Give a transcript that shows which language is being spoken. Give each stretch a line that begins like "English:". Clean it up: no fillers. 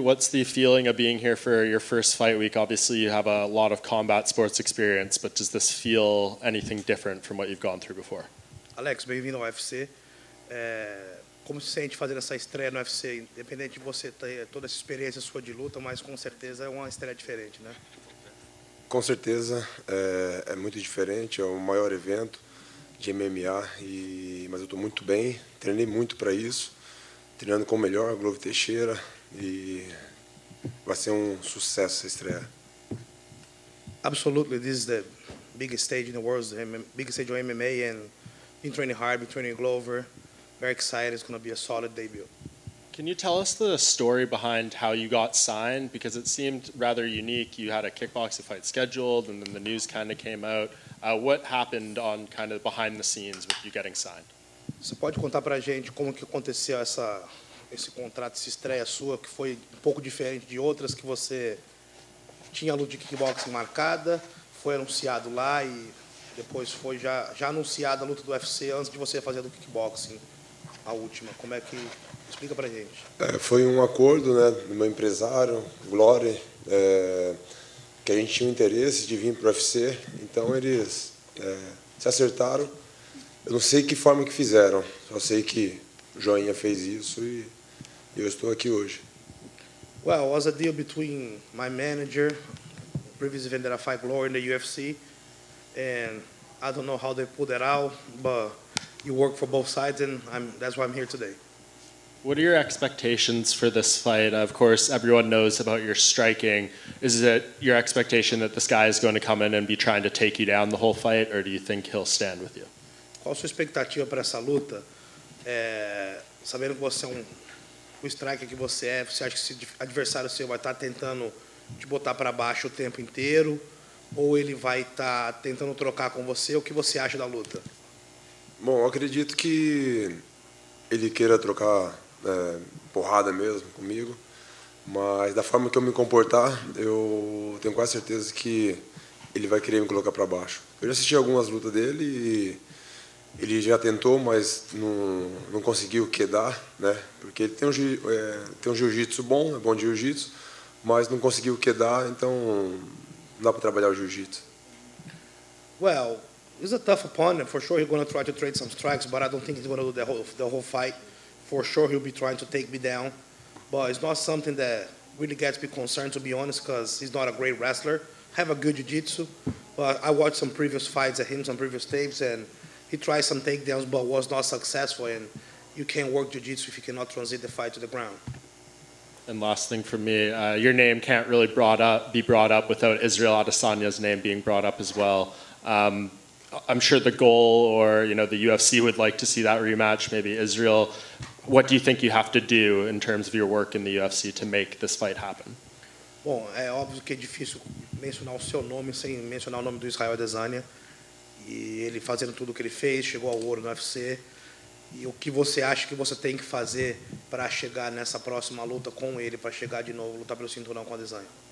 English: What's the feeling of being here for your first fight week? Obviously, you have a lot of combat sports experience, but does this feel anything different from what you've gone through before?
Portuguese: Alex, bem-vindo ao UFC. Como se sente fazendo essa estreia no UFC? Independente de você ter toda essa experiência sua de luta, mas com certeza é uma estreia diferente, né? Com certeza, é muito diferente. É o maior evento de MMA, mas eu estou muito bem. Treinei muito para isso. Treinando com o melhor, Glover Teixeira, e vai ser um sucesso essa estreia.
English: Absolutely, this is the biggest stage in the world, the biggest stage of MMA, and been training hard, been training Glover. Very excited, it's going to be a solid debut. Can you tell us the story behind how you got signed? Because it seemed rather unique. You had a kickboxing fight scheduled, and then the news kind of came out. What happened on kind of behind the scenes with you getting signed?
Portuguese: Você pode contar para a gente como que aconteceu esse contrato, essa estreia sua, que foi um pouco diferente de outras que você tinha a luta de kickboxing marcada, foi anunciado lá e depois foi já anunciada a luta do UFC antes de você fazer a do kickboxing, a última. Como é que... Explica para a gente. Foi um acordo, né, do meu empresário, Glory, que a gente tinha o interesse de vir para o UFC, então eles se acertaram. Eu não sei que forma que fizeram, só sei que o Joinha fez isso e eu estou aqui hoje.
English: Well, it was a deal between my manager, previous event that I fight Glory in the UFC, and I don't know how they pulled it out, but you work for both sides and that's why I'm here today. What are your expectations for this fight? Of course, everyone knows about your striking. Is it your expectation that this guy is going to come in and be trying to take you down the whole fight, or do you think he'll stand with you?
Portuguese: Qual a sua expectativa para essa luta? Sabendo que você é o striker que você é, você acha que esse adversário seu vai estar tentando te botar para baixo o tempo inteiro? Ou ele vai estar tentando trocar com você? O que você acha da luta? Bom, eu acredito que ele queira trocar porrada mesmo comigo. Mas da forma que eu me comportar, eu tenho quase certeza que ele vai querer me colocar para baixo. Eu já assisti algumas lutas dele e... Ele já tentou, mas não conseguiu quedar, né? Porque ele tem um jiu-jitsu bom, é bom de jiu-jitsu, mas não conseguiu quedar, então não dá para trabalhar o jiu-jitsu.
English: Well, he's a tough opponent. For sure, he's going to try to trade some strikes, but I don't think he's going to do the whole fight. For sure, he'll be trying to take me down. But it's not something that really gets me concerned, to be honest, because he's not a great wrestler. Have a good jiu-jitsu, but I watched some previous fights of him, some previous tapes, and he tried some takedowns, but was not successful, and you can't work jiu-jitsu if you cannot transit the fight to the ground. And last thing for me, your name can't really be brought up without Israel Adesanya's name being brought up as well. I'm sure the goal or, you know, the UFC would like to see that rematch, maybe Israel. What do you think you have to do in terms of your work in the UFC to make this fight happen?
Portuguese: Bom, é óbvio que é difícil mencionar o seu nome sem mencionar o nome do Israel Adesanya. E ele fazendo tudo o que ele fez, chegou ao ouro no UFC. E o que você acha que você tem que fazer para chegar nessa próxima luta com ele, para chegar de novo, lutar pelo cinturão com a Adesanya?